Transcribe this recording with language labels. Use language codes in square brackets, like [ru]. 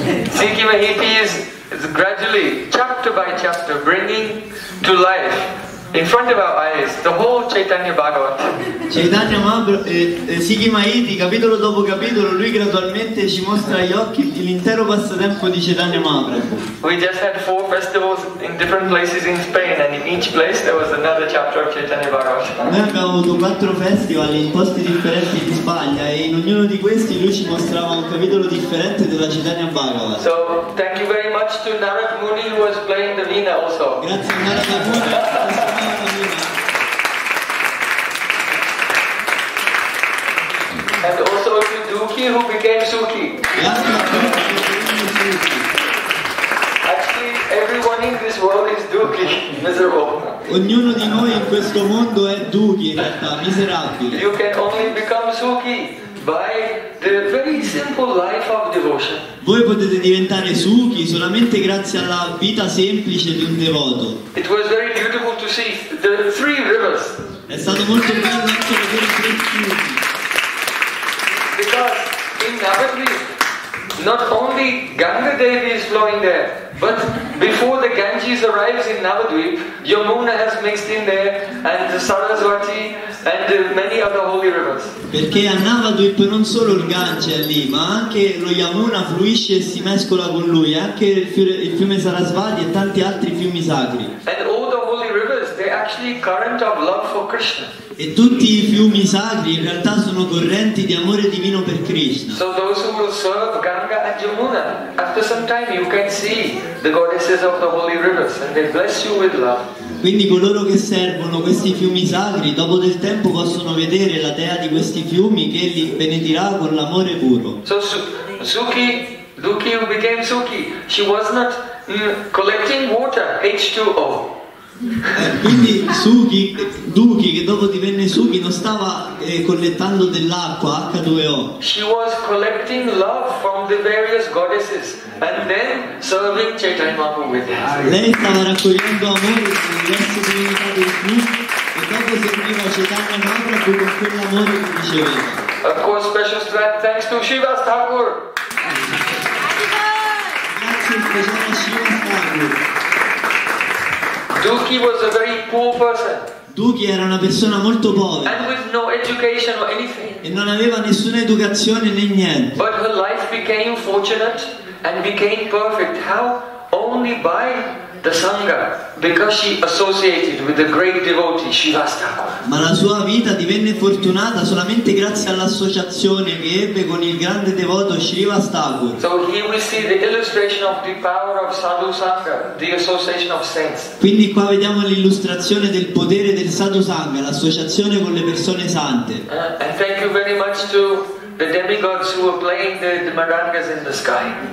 [en] Sigi Maiti is gradually, chapter by chapter, bringing to life in front of our eyes the whole Chaitanya Bhagavat. [it] Chaitanya Mahaprabhu, Sigi Maiti, capitolo dopo capitolo, lui gradualmente ci mostra agli occhi l'intero passatempo di Chaitanya Mahaprabhu. [en] We just had four festivals in different places in Spain, and in each place there was another chapter of Chaitanya Bhagavat. [it] Noi abbiamo avuto quattro festival in posti differenti in Spagna, e in ognuno di questi lui ci mostrava un capitolo differente della Chaitanya Bhagavat. [en] So, thank you very much to Narad Muni, who was playing the Veena also. [it] Grazie a Narad Muni. [en] And also to Duki, who became Suki. Actually, everyone in this world is Duki, miserable. [it] Ognuno di noi in questo mondo è Duki, in realtà, miserabile. [en] You can only become Suki by the very simple life of devotion. [it] Voi potete diventare Suki solamente grazie alla vita semplice di un devoto. [en] It was very beautiful to see the three rivers. [it] È stato molto bello anche vedere i tre fiumi. [en] Because in Navadvip, not only Ganga Devi is flowing there, but before the Ganges arrives in Navadvip, Yamuna has mixed in there, and the Saraswati, and many other holy rivers. [it] Perché a Navadvip non solo il Gange è lì, ma anche lo Yamuna fluisce e si mescola con lui, anche il fiume Saraswati e tanti altri fiumi sacri. [en] And all the holy rivers, they're actually current of love for Krishna. [it] E tutti i fiumi sacri in realtà sono correnti di amore divino per Krishna. [en] So those who will serve Ganga and Yamuna, after some time you can see the goddesses of the holy rivers and they bless you with love. [it] Quindi coloro che servono questi fiumi sacri, dopo del tempo possono vedere la dea di questi fiumi che li benedirà con l'amore puro. [en] So Suki, Duki who became Suki, she was not collecting water, H2O. [it] Quindi Suki, Duki, che dopo divenne Suki, non stava collettando dell'acqua, H2O. [en] She was collecting love from the various goddesses and then serving Chaitanya Mahaprabhu with it. [it] Lei stava raccogliendo amore con le diverse divinità del fiume e dopo serviva Chaitanya Mahaprabhu con quell'amore che riceveva. [en] Of course, special strength thanks to Shiva Thakur. [it] Grazie speciale a Shiva Thakur. [en] Duki was a very poor person. [it] Duki era una persona molto povera. [en] And with no education or anything. [it] E non aveva nessuna educazione né niente. [en] But her life became fortunate and became perfect. How? Only by the Sangha, because she associated with the great devotee Shiva Thakur. [it] Ma la sua vita divenne fortunata solamente grazie all'associazione che ebbe con il grande devoto Shiva Thakur. [en] So here we see the illustration of the power of Sadhu Sangha, the association of saints. [it] Quindi qua vediamo l'illustrazione del potere del Sadhu Sangha, l'associazione con le persone sante. [en] And thank you very much to the demigods who were playing the marangas in the sky.